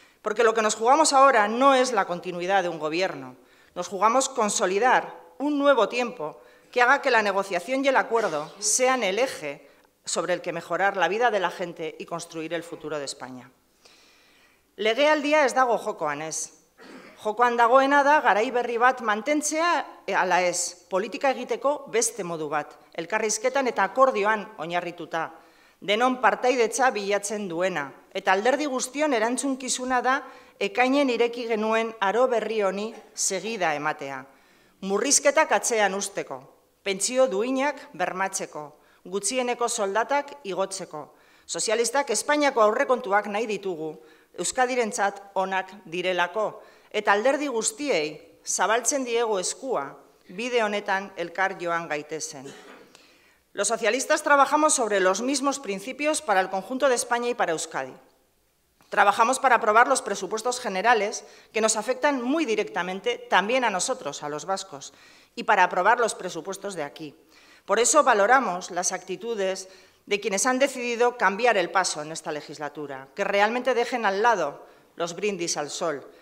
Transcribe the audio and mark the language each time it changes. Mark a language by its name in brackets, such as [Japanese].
[Spanish] Porque lo que nos jugamos ahora no es la continuidad de un gobierno. Nos jugamos consolidar un nuevo tiempo que haga que la negociación y el acuerdo sean el eje sobre el que mejorar la vida de la gente y construir el futuro de España. [Basque] Legealdia ez dago jokoan ez. Jokoan dagoena da garai berri bat mantentzea ala ez, politika egiteko beste modu bat, elkarrizketan eta akordioan oinarrituta, denon partaidetza bilatzen duena, eta alderdi guztion erantzunkizuna da ekainen ireki genuen aro berri honi segida ematea. Murrizketak atzean usteko, pentsio duinak bermatzeko, gutxieneko soldatak igotzeko. Sozialistak Espainiako aurrekontuak nahi ditugu, Euskadirentzat onak direlako, eta alderdi guztiei zabaltzen diegu eskua bide honetan elkar joan gaitezen. [Spanish] Los socialistas trabajamos sobre los mismos principios para el conjunto de España y para Euskadi. Trabajamos para aprobar los presupuestos generales que nos afectan muy directamente también a nosotros, a los vascos, y para aprobar los presupuestos de aquí. Por eso valoramos las actitudes de quienes han decidido cambiar el paso en esta legislatura, que realmente dejen al lado los brindis al sol.